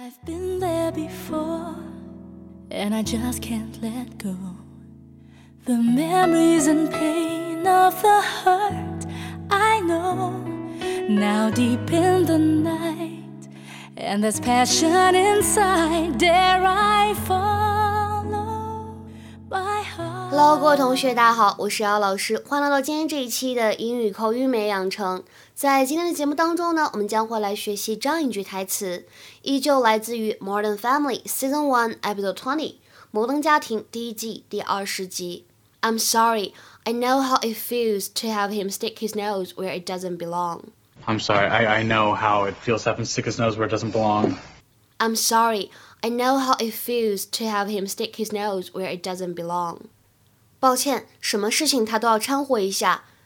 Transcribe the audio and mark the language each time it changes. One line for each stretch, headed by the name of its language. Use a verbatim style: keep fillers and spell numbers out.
English: been there before, and I just can't let go. The memories and pain of the hurt I know, now deep in the night, and there's passion inside. Dare I follow my heart.
Chinese: Hello， 各位同学，大家好，我是姚老师，欢迎来到今天这一期的英语口语美养成。在今天的节目当中呢，我们将会来学习这样一句台词，依旧来自于 Modern Family Season one Episode twenty 摩登家庭第一季第二十集。
English: I'm sorry, I know how it feels to have him stick his nose where it doesn't belong. I'm sorry, I, I know how it feels to have him stick his nose where it doesn't belong. I'm sorry, I know how it feels to have him stick his nose where it doesn't belong.
Chinese: 抱歉，什么事情他都要掺和一下。